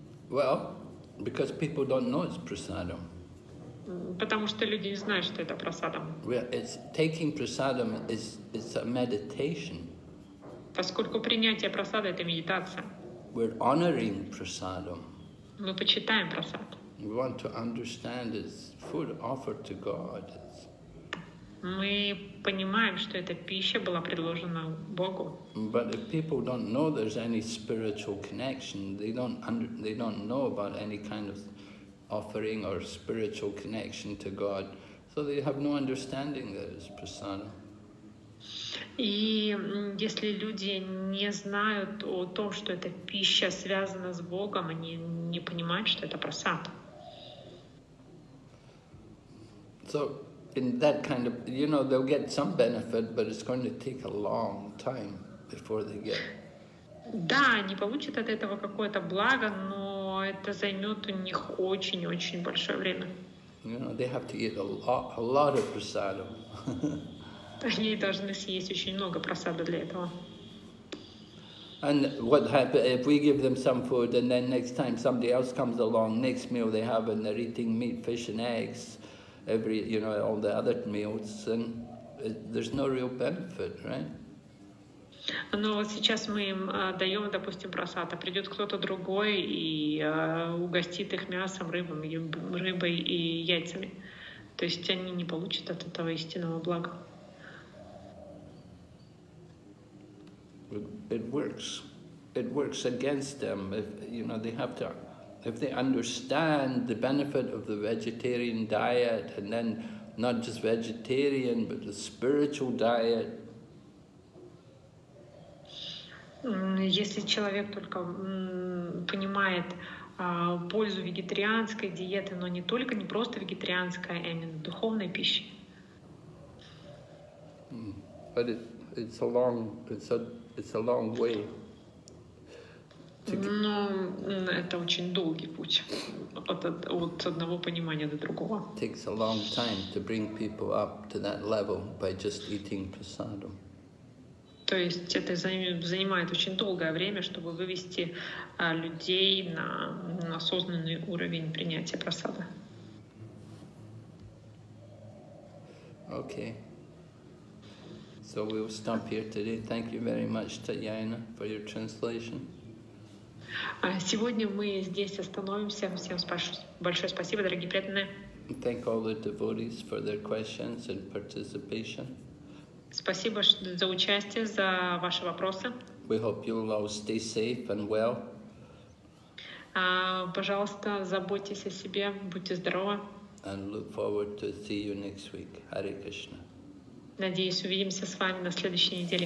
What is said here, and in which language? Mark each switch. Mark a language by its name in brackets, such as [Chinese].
[English] Well, because people don't know it's prasadam. [Russian] Потому что люди не знают, что это прасадам. [English] Well, it's taking prasadam is a meditation. [Russian] Поскольку принятие прасада это медитация. [English] We're honoring prasadam. [Russian] Мы почитаем прасад. [English] We want to understand it's food offered to God. [Russian] Мы понимаем, что эта пища была предложена Богу. [English] But if people don't know there's any spiritual connection, they don't know about any kind of offering or spiritual connection to God, so they have no understanding that it's prasadam. [Russian] И если люди не знают о том, что эта пища связана с Богом, они не понимают, что это прасад. [English] So in that kind of, you know, they'll get some benefit, but it's going to take a long time before they get. [Russian] Да, они получат от этого какое-то благо, но это займет у них очень-очень большое время. [English] You know, they have to eat a lot of prasadam. [Russian] Они должны съесть очень много прасада для этого. [English] And what happens if we give them some food, and then next time somebody else comes along, next meal they have, and they're eating meat, fish, and eggs, every, you know, all the other meals, and there's no real benefit, right? [Russian] Но вот сейчас мы им даем, допустим, просад, а придет кто-то другой и угостит их мясом, рыбой и яйцами. То есть они не получат от этого истинного блага. [English] It works. It works against them. If, you know, they have to, if they understand the benefit of the vegetarian diet, and then not just vegetarian, but the spiritual diet. [Russian] Если человек только понимает пользу вегетарианской диеты, но не только, не просто вегетарианской, а именно духовной пищи. [English] But it's a long way. [Russian] Но это очень долгий путь от одного понимания до другого. [English] It takes a long time to bring people up to that level by just eating prasadam. [Russian] То есть это занимает очень долгое время, чтобы вывести людей на осознанный уровень принятия просада. [English] Okay. So we'll stop here today. Thank you very much, Tatyana, for your translation. [Russian] Сегодня мы здесь остановимся. Всем большое спасибо, дорогие преданные. [English] Thank all the devotees for their questions and participation. [Russian] Спасибо за участие, за ваши вопросы. [English] We hope you'll all stay safe and well. [Russian] Пожалуйста, заботьтесь о себе, будьте здоровы. [English] And look forward to see you next week. Hare Krishna. [Russian] Надеюсь, увидимся с вами на следующей неделе.